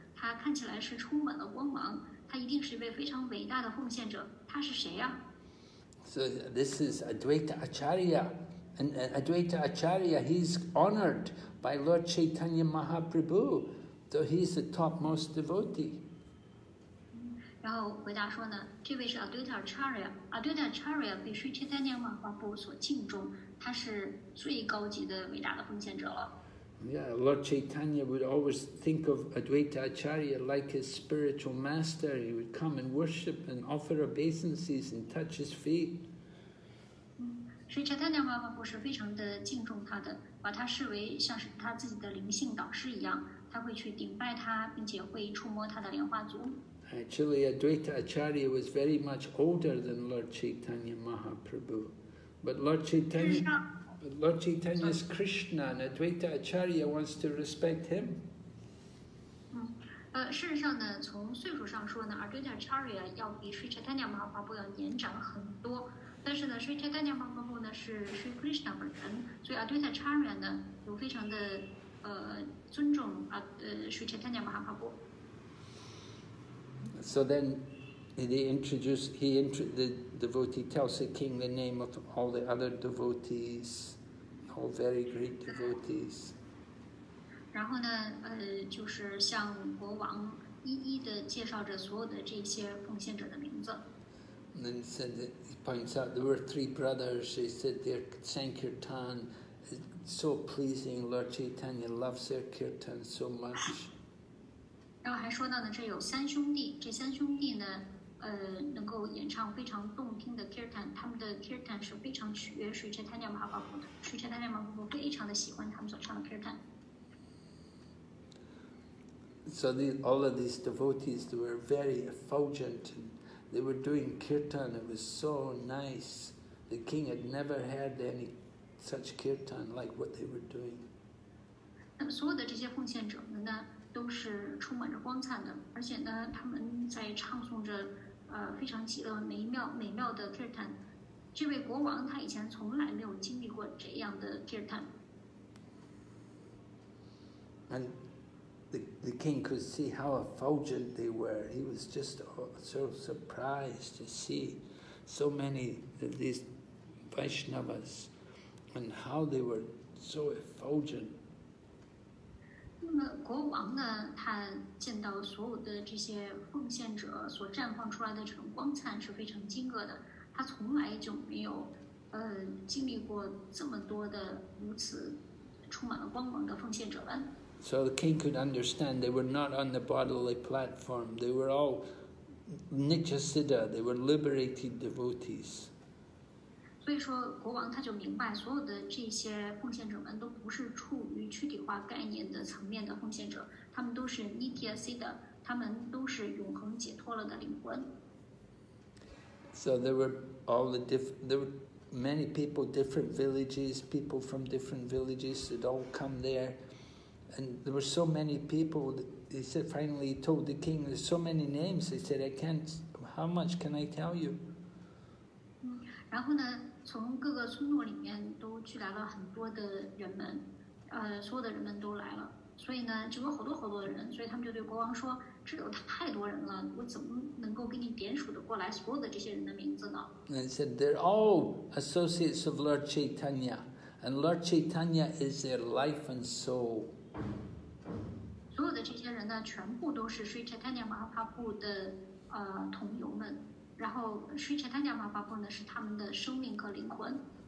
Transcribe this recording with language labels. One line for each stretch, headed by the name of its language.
Chinese: 他看起来是充满了光芒。他一定是一位非常伟大的奉献者。他是谁呀、
English: 啊、？So this is Advaita Acharya, and Advaita Acharya, he's honored by Lord Chaitanya Mahaprabhu, so he's the topmost devotee.
Chinese: 然后回答说呢，这位是 Advaita Acharya. Advaita Acharya 被 Sri Chaitanya Mahaprabhu 所敬重，他是最高级的伟大的奉献者了。
English: Yeah, Lord Chaitanya would always think of Advaita Acharya like his spiritual master. He would come and worship and offer obeisances and touch his feet.
Chinese: Sri Chaitanya Mahaprabhu 是非常的敬重他的，把他视为像是他自己的灵性导师一样，他会去顶拜他，并且会触摸他的莲花足。
English: Actually, Advaita Acharya was very much older than Lord Chaitanya Mahaprabhu, but Lord Chaitanya is Krishna, and Advaita Acharya wants to respect him.
Chinese: 事实上呢，从岁数上说呢 ，Advaita Acharya 要比 Sri Chaitanya Mahaprabhu 要年长很多。但是呢 ，Sri Chaitanya Mahaprabhu 呢是 Sri Krishna 本人，所以 Advaita Acharya 呢有非常的尊重Sri Chaitanya Mahaprabhu。
English: So then the devotee tells the king the name of all the other devotees, all very great devotees.
Chinese: 然后呢，就是向国王一一的介绍着所有的这些奉献者的名字。
English: And then he points out there were three brothers. He said their sankirtan is so pleasing. Lord Chaitanya loves their kirtan so much.
Chinese: 然后还说到呢，这有三兄弟，这三兄弟呢，能够演唱非常动听的 kirtan， 他们的 kirtan 是非常取悦 Sri Chaitanya Mahaprabhu 的， Sri Chaitanya Mahaprabhu 非常的喜欢他们所唱的 kirtan。
English: So all of these devotees they were very effulgent, and they were doing kirtan. It was so nice. The king had never heard any such kirtan like what they were doing.
Chinese: 那么所有的这些奉献者们呢？都是充满着光彩的，而且呢，他们在唱诵着，非常极乐美妙的 kirtan。这位国王他以前从来没有经历过这样的 kirtan。
English: And the king could see how effulgent they were. He was just so surprised to see so many of these Vaishnavas and how they were so effulgent.
Chinese: 那么国王呢？他见到所有的这些奉献者所绽放出来的这种光灿是非常惊愕的。他从来就没有，经历过这么多的如此充满了光芒的奉献者们。
English: So the king could understand they were not on the bodily platform. They were all nitya siddha. They were liberated devotees.
Chinese: 所以说，国王他就明白，所有的这些奉献者们都不是处于躯体化概念的层面的奉献者，他们都是 Nitya Siddha， 他们都是永恒解脱了的灵魂。
English: So there were all the there were many people, different villages, people from different villages that all come there, and there were so many people. He said finally, he told the king, "There's so many names." He said, "I can't. How much can I tell you?"
Chinese: 然后呢？从各个村落里面都聚来了很多的人们，所有的人们都来了，所以呢，就有好多好多的人，所以他们就对国王说：“这有太多人了，我怎么能够给你点数的过来所有的这些人的名字呢？”
English: And said they're all associates of Lord Chaitanya, and Lord Chaitanya is their life and soul.
Chinese: 所有的这些人呢，全部都是 Sri Chaitanya Mahaprabhu 的同游们。然后 Sri Chaitanya Mahaprabhu 呢是他们的生命和灵魂。